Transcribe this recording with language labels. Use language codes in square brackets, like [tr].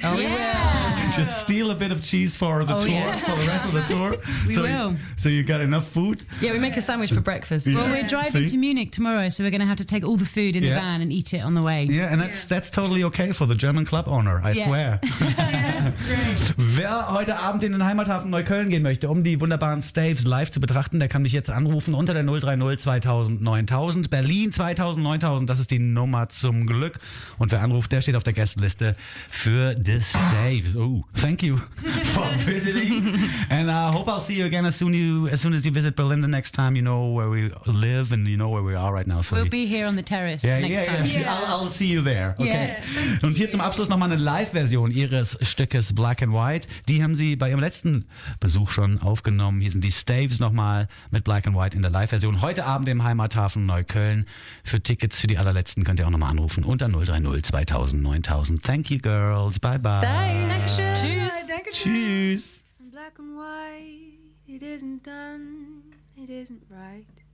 [en] Oh, yeah. just steal a bit of cheese for the tour, for the rest of the tour. So you got enough food? Yeah, we make a sandwich for breakfast. Well, we're driving to Munich tomorrow, so we're going to have to take all the food in the van and eat it on the way. Yeah, and that's totally okay for the German club owner, I swear. [de] Wer heute Abend in den Heimathafen Neukölln gehen möchte, um die wunderbaren Staves live zu betrachten, der kann mich jetzt anrufen unter der 030 2000 9000. Berlin 2000 9000, das ist die Nummer zum Glück. Und wer anruft, der steht auf der Gästeliste für The Staves. [en] Oh, thank you for visiting. And I hope I'll see you again as soon as you visit Berlin the next time. You know where we live and you know where we are right now. So we'll be here on the terrace next time. Yeah. I'll see you there. Okay. Yeah. [de] Und hier zum Abschluss nochmal eine Live-Version ihres Stückes Black and White. Die haben sie bei ihrem letzten Besuch schon aufgenommen. Hier sind die Staves nochmal mit Black and White in der Live-Version. Heute Abend im Heimathafen Neukölln. Für Tickets für die allerletzten könnt ihr auch nochmal anrufen unter 030 2000 9000. [en] Thank you, girls. Bye, bye. Thanks. [de] Tschüss. Tschüss. [en] Black and white, it isn't done, it isn't right.